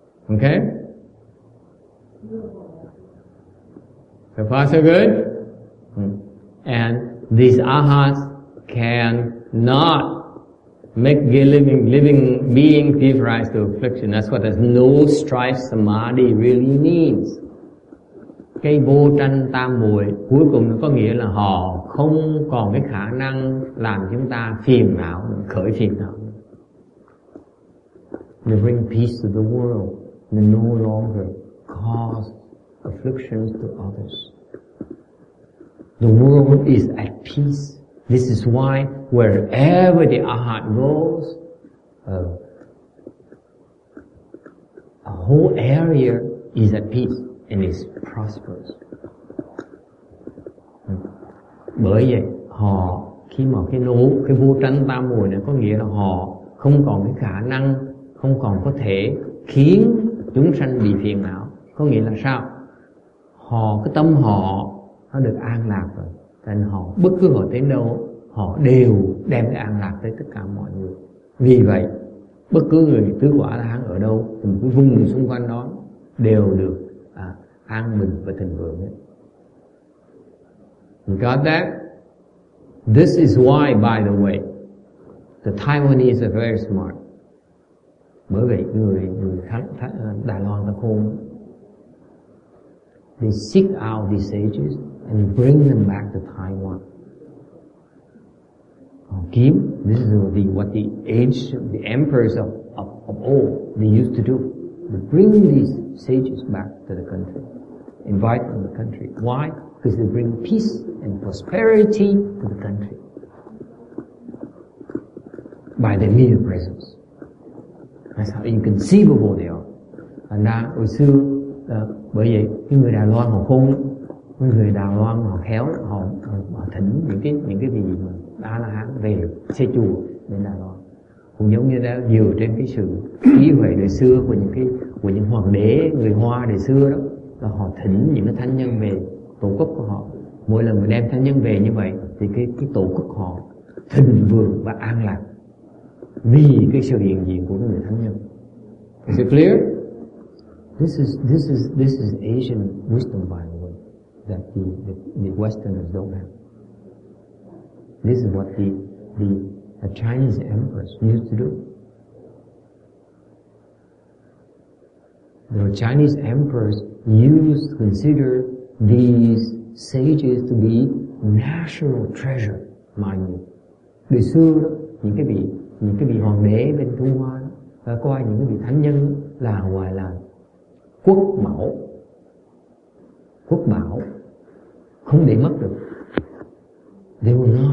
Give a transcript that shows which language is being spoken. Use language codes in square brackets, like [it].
[en] Okay? So far so good? And these arhats can not make the living being give rise to affliction. That's what this no strife samadhi really means. [vi] Cái vô tranh tam muội cuối cùng nó có nghĩa là họ không còn cái khả năng làm chúng ta phiền não, khởi phiền não. [en] They bring peace to the world. They no longer cause afflictions to others. The world is at peace. This is why wherever the arhat goes, a whole area is at peace and is prosperous. [vi] Bởi vậy, họ khi mà cái vô tranh tam muội này có nghĩa là họ không còn cái khả năng, không còn có thể khiến chúng sanh bị phiền não. Có nghĩa là sao? Họ, cái tâm họ nó được an lạc rồi. Nên họ bất cứ họ tới đâu, họ đều đem cái an lạc tới tất cả mọi người. Vì vậy, bất cứ người tứ quả là hắn ở đâu, từ một cái vùng xung quanh đó đều được an bình và thịnh vượng. [en] You got that? This is why, by the way, the Taiwanese are very smart. [vi] Bởi vậy người Đài Loan ta khôn. [en] They seek out these sages and bring them back to Taiwan. Kim, this is what the ancient, the emperors of old, they used to do. They bring these sages back to the country, invite them to the country. Why? Because they bring peace and prosperity to the country by their mere presence. That's how inconceivable they are. And now, [vi] hồi xưa, bởi vậy, cái người Đài Loan họ khôn, người Đài Loan họ khéo, họ thỉnh những cái vị mà đã là hán về xây chùa bên Đài Loan, cũng giống như đã dựa trên cái sự trí huệ đời xưa của những hoàng đế người Hoa đời xưa đó, là họ thỉnh những cái thánh nhân về tổ quốc của họ. Mỗi lần mình đem thánh nhân về như vậy thì cái tổ quốc họ thịnh vượng và an lạc vì cái sự hiện diện của người thánh nhân. [en] Is it clear? This is Asian wisdom, by the way, that the Westerners don't have. This is what the Chinese emperors used to do. The Chinese emperors consider these sages to be national treasure, mind you. [vi] Đời xưa đó, những cái vị hoàng đế bên Trung Hoa đó, coi những cái vị thánh nhân là ngoài là quốc bảo không để mất được. [en] They were